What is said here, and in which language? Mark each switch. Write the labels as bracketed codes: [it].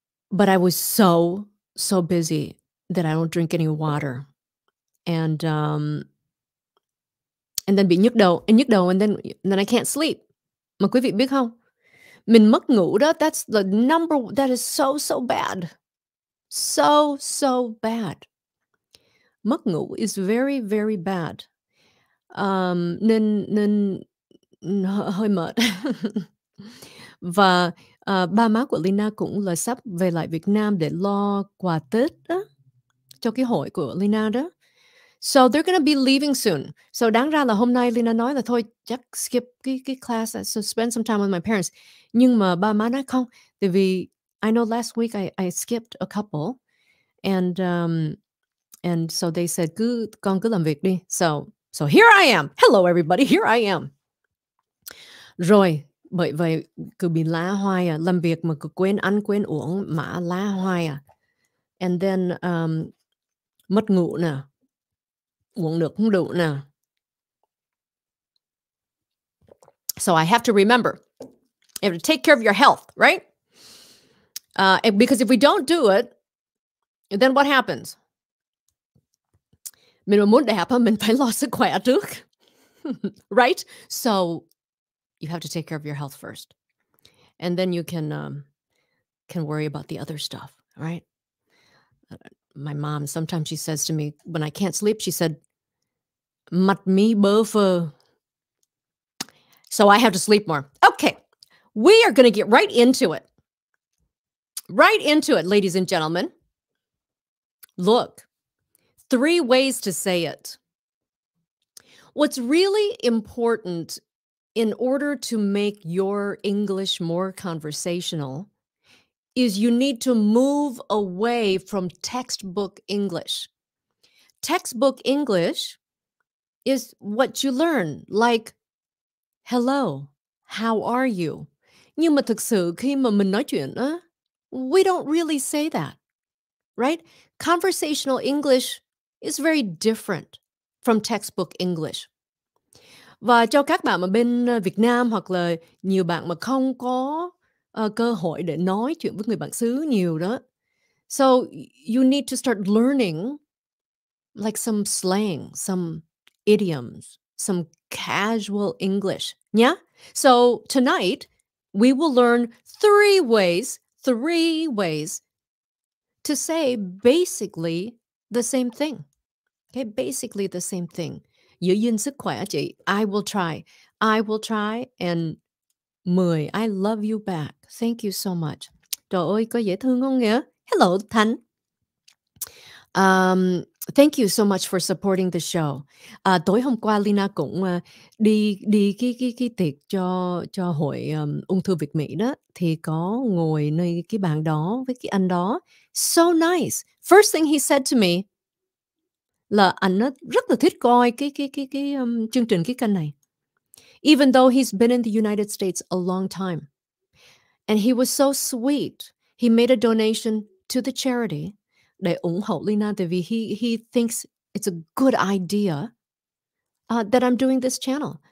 [en] But I was so, so busy that I don't drink any water. And then [vi] bị nhức đầu [en] and then I can't sleep. [vi] Mà quý vị biết không? Mình mất ngủ đó, [en] that's the number, that is so, so bad. So, so bad. [vi] Mất ngủ [en] is very, very bad. [vi] Nên hơi mệt. Và ba má của Leyna cũng là sắp về lại Việt Nam để lo quà Tết đó, cho cái hội của Leyna đó. [en] So they're going to be leaving soon. So [vi] đáng ra là hôm nay Leyna nói là thôi chắc [en] skip cái class, so spend some time with my parents. [vi] Nhưng mà ba má nói không. [en] Tại vì I know last week I skipped a couple. And so they said, con cứ làm việc đi. So here I am. Hello, everybody. Here I am. [vi] Rồi, bởi vậy cứ bị lá hoài à. Làm việc mà cứ quên ăn, quên uống, mà lá hoài à. [en] And then [vi] mất ngủ nè. Uống nước không đủ nè. [en] So I have to remember. You have to take care of your health, right? Because if we don't do it, then what happens? [vi] Mình muốn đẹp, mình phải lo sức khỏe trước. [en] Right? So you have to take care of your health first. And then you can worry about the other stuff, right? My mom, sometimes she says to me, when I can't sleep, she said, [vi] mặt mi bơ phơ. [en] So I have to sleep more. Okay. We are going to get right into it. Right into it, ladies and gentlemen. Look, three ways to say it. What's really important in order to make your English more conversational is you need to move away from textbook English. Textbook English is what you learn, like, hello, how are you? [vi] Nhưng mà thực sự khi mà mình nói chuyện, [en] we don't really say that, right? Conversational English is very different from textbook English. [vi] Và cho các bạn ở bên Việt Nam hoặc là nhiều bạn mà không có cơ hội để nói chuyện với người bản xứ nhiều đó. [en] So you need to start learning like some slang, some idioms, some casual English. Yeah? So tonight we will learn three ways to say basically the same thing. Okay, basically the same thing. [vi] Giữ gìn sức khỏe chị. [en] I will try. I will try. And mười, I love you back. Thank you so much. [vi] Trời ơi, có dễ thương không nhỉ? [en] Hello, Thanh. Thank you so much for supporting the show. [vi] Tối hôm qua, Leyna cũng đi cái tiệc cho hội ung thư Việt Mỹ đó. Thì có ngồi nơi cái bàn đó với cái anh đó. [en] So nice. First thing he said to me, [vi] là anh rất là thích coi cái chương trình cái kênh này. [en] Even though he's been in the United States a long time. And he was so sweet. He made a donation to the charity [vi] để ủng hộ Leyna, tại vì [en] he thinks it's a good idea that I'm doing this channel.